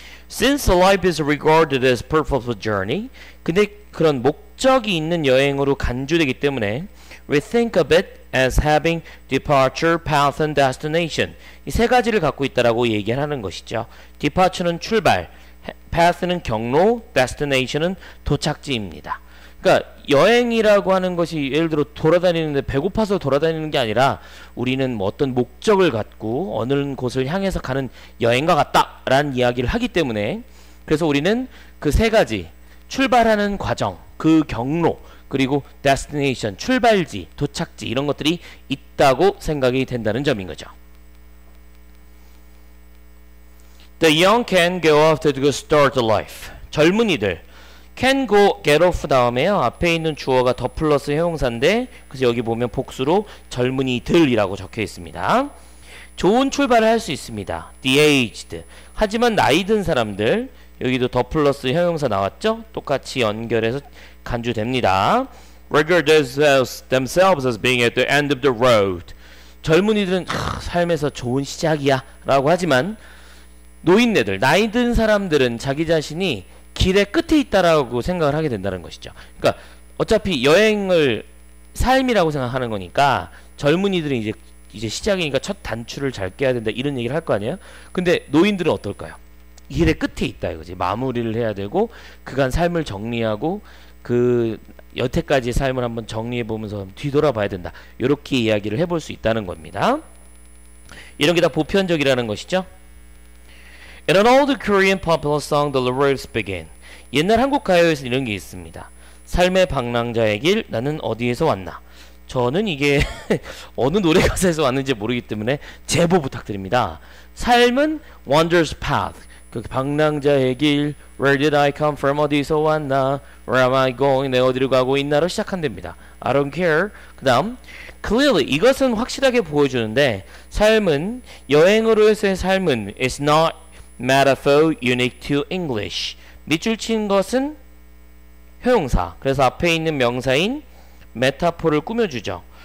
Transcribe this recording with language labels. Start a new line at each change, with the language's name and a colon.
English: Since life is regarded as purposeful journey,
Korean: 근데 그런 목적이 있는 여행으로 간주되기 때문에
English: we think of it as having departure, path, and destination.
Korean: 이 세 가지를 갖고 있다라고 얘기하는 것이죠. Departure는 출발, path는 경로, destination은 도착지입니다. 그러니까 여행이라고 하는 것이 예를 들어 돌아다니는데 배고파서 돌아다니는 게 아니라 우리는 뭐 어떤 목적을 갖고 어느 곳을 향해서 가는 여행과 같다라는 이야기를 하기 때문에 그래서 우리는 그 세 가지 출발하는 과정, 그 경로, 그리고 destination, 출발지, 도착지 이런 것들이 있다고 생각이 된다는 점인 거죠.
English: The young can go off to start a life. 젊은이들 can go get off 다음에요.
Korean: 앞에 있는 주어가 더 플러스 형용사인데 그래서 여기 보면 복수로 젊은이들이라고 적혀 있습니다. 좋은 출발을 할 수 있습니다.
English: The aged.
Korean: 하지만 나이 든 사람들 여기도 더 플러스 형용사 나왔죠? 똑같이 연결해서 간주됩니다.
English: Regard themselves as being at the end of the road.
Korean: 젊은이들은 삶에서 좋은 시작이야 라고 하지만 노인네들, 나이 든 사람들은 자기 자신이 길의 끝에 있다라고 생각을 하게 된다는 것이죠. 그러니까 어차피 여행을 삶이라고 생각하는 거니까 젊은이들은 이제 시작이니까 첫 단추를 잘 깨야 된다 이런 얘기를 할 거 아니에요. 근데 노인들은 어떨까요? 길의 끝에 있다 이거지. 마무리를 해야 되고 그간 삶을 정리하고 그 여태까지의 삶을 한번 정리해 보면서 뒤돌아 봐야 된다 이렇게 이야기를 해볼 수 있다는 겁니다. 이런 게 다 보편적이라는 것이죠.
English: In an old Korean popular song, the lyrics begin.
Korean: 옛날 한국 가요에서 이런 게 있습니다. 삶의 방랑자의 길, 나는 어디에서 왔나? 저는 이게 어느 노래 가사에서 왔는지 모르기 때문에 제보 부탁드립니다.
English: 삶은 wanderer's path,
Korean: 그 방랑자의 길,
English: where did I come from,
Korean: 어디서 왔나?
English: Where am I going,
Korean: 내가 어디로 가고 있나?로 시작한답니다.
English: I don't care.
Korean: 그 다음, clearly, 이것은 확실하게 보여주는데 삶은, 여행으로서의 삶은
English: is not metaphor unique to English.
Korean: 밑줄 친 것은 형용사. 그래서 앞에 있는 명사인 메타포를 꾸며주죠.